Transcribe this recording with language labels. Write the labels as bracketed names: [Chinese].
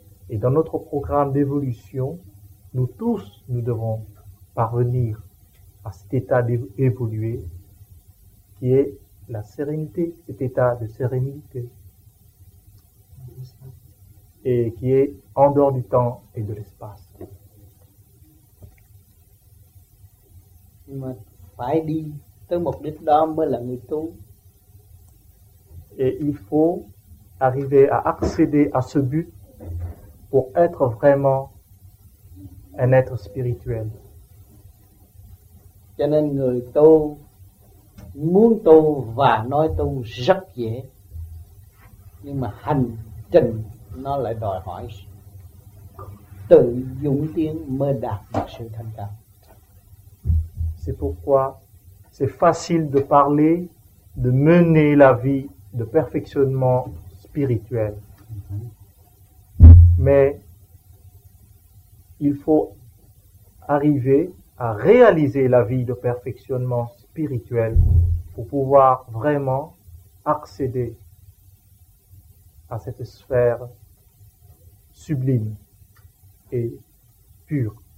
[French] Et dans notre programme d'évolution, nous tous, nous devons parvenir à cet état d'évolué qui est la sérénité, cet état de sérénité, et qui est en dehors du temps et de l'espace. [Vietnamese] mà phải đi tới mục đích đó mới là người tu. [French] Et il faut arriver à accéder à ce but pour être vraiment un être spirituel. [Vietnamese] Cho nên người tu muốn tu và nói tu rất dễ, nhưng mà hành trình nó lại đòi hỏi tự dũng tiến mới đạt được sự thành công. [French] C'est pourquoi c'est facile de parler, de mener la vie de perfectionnement spirituel. Mais il faut arriver à réaliser la vie de perfectionnement spirituel pour pouvoir vraiment accéder à cette sphère sublime et pure.